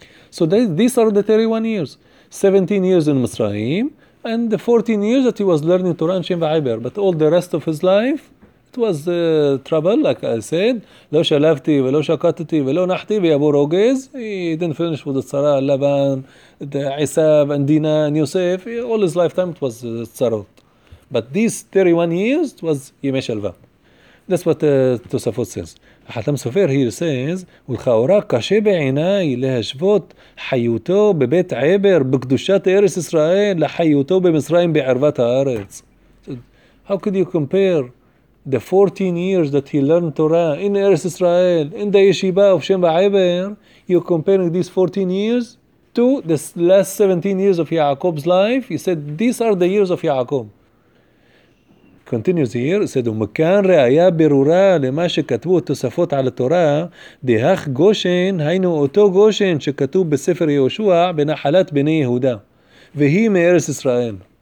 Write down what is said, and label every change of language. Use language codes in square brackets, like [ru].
[en] So these are the 31 years. 17 years in Mitzrayim, and the 14 years that he was learning Torah and Shem Va'aber, but all the rest of his life, it was trouble, like I said. [he] Lo shalavti, velo shakatati, velo nahti, v'yabu rogez. [en] He didn't finish with the tzara, Laban, the Isav, and Dina, and Yosef. All his lifetime, it was tzarot. But these 31 years, it was Yemei Shalva. That's what Tosafot says. Hatam Sofer here says, [he] ולכאורה קשה בעיניי להשוות חיותו בבית עבר בקדושת ארץ ישראל לחיותו במצרים בערבת הארץ. [en] How could you compare the 14 years that he learned Torah in ארץ ישראל, in the yeshiva of Shem Va'aber, you're comparing these 14 years to the last 17 years of Yaakov's life? He said, these are the years of Yaakov. Continues here, it said, [he] ומכאן ראיה ברורה למה שכתבו תוספות על התורה, דהך גושן, היינו אותו גושן שכתוב בספר יהושע בנחלת בני יהודה, והיא מארץ ישראל.